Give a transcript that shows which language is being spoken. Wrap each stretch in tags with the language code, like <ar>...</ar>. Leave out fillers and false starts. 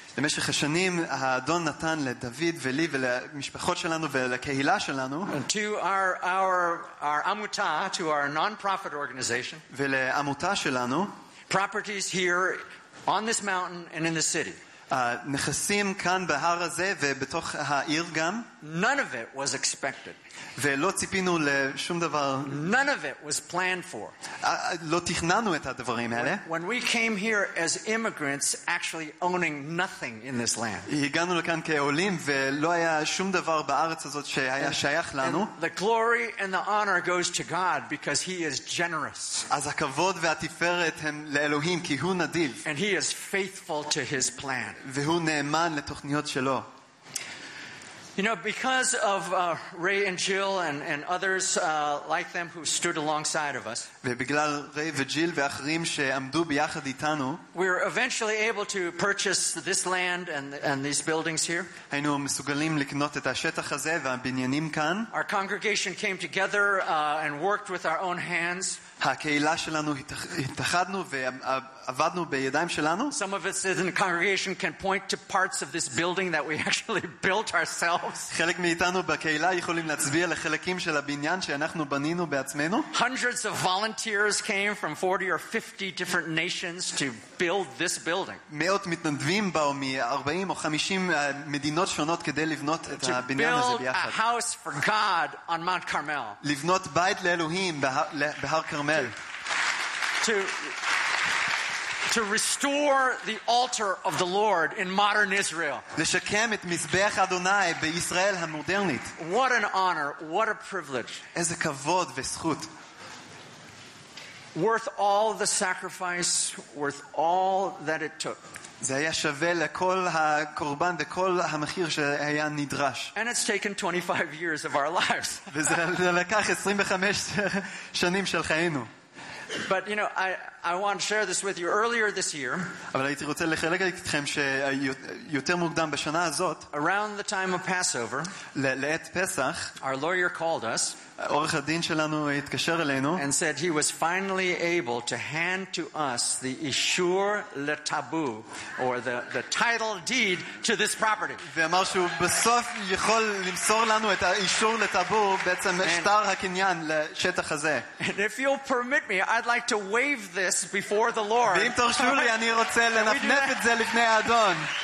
<he>במשך השנים האדון נתן לדוד ולי ולמשפחות שלנו ולקהילה שלנו.</he> <en>To our amuta, to our non-profit organization.</en> <he>ולעמותה שלנו.</he> <en>Properties here on this mountain and in the city.</en> <he>נכסים כאן בהר הזה ובתוך העיר גם.</he> <en>None of it was expected.</en> <he>ולא ציפינו לשום דבר.</he> <en>None of it was planned for.</en> <he>לא תכננו את הדברים האלה.</he> <en>When we came here as immigrants, actually owning nothing in this land.</en> <he>הגענו לכאן כעולים ולא היה שום דבר בארץ הזאת שהיה שייך לנו.</he> <en>The glory and the honor goes to God because he is generous.</en> <he>אז הכבוד והתפארת הם לאלוהים כי הוא נדיב.</he> <en>And he is faithful to his plan.</en> <he>והוא נאמן לתוכניות שלו.</he> <en>You know, because of Ray and Jill and others like them who stood alongside of us,</en> <he>ובגלל ריי וג'יל ואחרים שעמדו ביחד איתנו,</he> <en>we were eventually able to purchase this land and these buildings here.</en> <he>היינו מסוגלים לקנות את השטח הזה והבניינים כאן.</he> <en>Our congregation came together and worked with our own hands.</en> <he>הקהילה שלנו התאחדנו ועבדנו בידיים שלנו.</he> <en>Some of us in the congregation can point to parts of this building that we actually built ourselves.</en> <he>חלק מאיתנו בקהילה יכולים להצביע לחלקים של הבניין שאנחנו בנינו בעצמנו.</he> <en>Hundreds of volunteers came from 40 or 50 different nations to build this building.</en> <he>מאות מתנדבים באו מ-40 או 50 מדינות שונות כדי לבנות את הבניין הזה ביחד.</he> <en>To build a house for God on Mount Carmel.</en> <he>לבנות בית לאלוהים בהר כרמל.</he> <en>To restore the altar of the Lord in modern Israel.</en> <he>לשקם את מזבח אדוני בישראל המודרנית.</he> <en>What an honor, what a privilege.</en> <he>איזה כבוד וזכות.</he> <en>Worth all the sacrifice, worth all that it took.</en> <he>זה היה שווה לכל הקורבן וכל המחיר שהיה נדרש.</he> <en>And it's taken 25 years of our lives.</en> <he>וזה לקח 25 שנים של חיינו.</he> <en>But you know, I want to share this with you earlier this year.</en> <he>אבל הייתי רוצה לחלק איתכם שיותר מוקדם בשנה הזאת.</he> <en>Around the time of Passover,</en> <he>לעת פסח,</he> <en>our lawyer called us.</en> <he>עורך הדין שלנו התקשר אלינו.</he> <en>And said he was finally able to hand to us the</en> <he>אישור לטאבו,</he> <en>or the title deed to this property.</en> <he>ואמר שהוא בסוף יכול למסור לנו את האישור לטאבו, בעצם שטר הקניין לשטח הזה.</he> <en>And if you'll permit me, I'd like to waive this before the Lord.</en> <he>ואם תרשו לי, אני רוצה לנפנף את זה לפני האדון.</he>